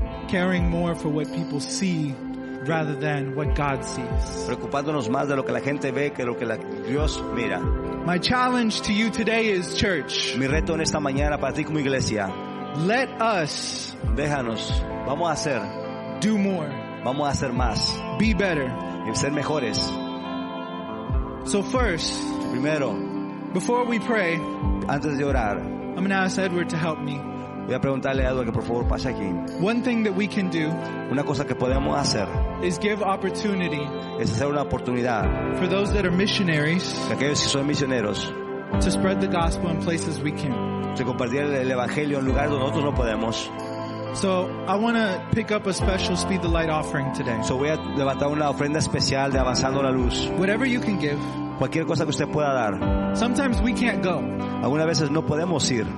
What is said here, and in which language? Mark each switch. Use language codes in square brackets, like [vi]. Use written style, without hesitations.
[en] Caring more for what people see rather than what God sees. [es] Preocupándonos más de lo que la gente ve que lo que Dios mira. [en] My challenge to you today is church. [es] Mi reto en esta mañana para ti como iglesia. [en] Let us. [es] Déjanos. Vamos a hacer. [en] Do more. [es] Vamos a hacer más. [en] Be better. [es] Y ser mejores. [en] So first, [es] primero, [en] before we pray, [es] antes de orar, [en] I'm going to ask Edward to help me. [es] Voy a preguntarle a Edward que por favor pase aquí. [en] One thing that we can do, [es] una cosa que podemos hacer, [en] is give opportunity, [es] es hacer una oportunidad, [en] for those that are missionaries, [es] aquellos que son misioneros, [en] to spread the gospel in places we can. [es] De compartir el evangelio en lugares donde nosotros no podemos. [en] So I want to pick up a special Speed the Light offering today. [es] So voy a levantar una ofrenda especial de Avanzando la Luz. [en] Whatever you can give. [es] Cualquier cosa que usted pueda dar. [en] Sometimes we can't go. [es] Algunas veces no podemos ir.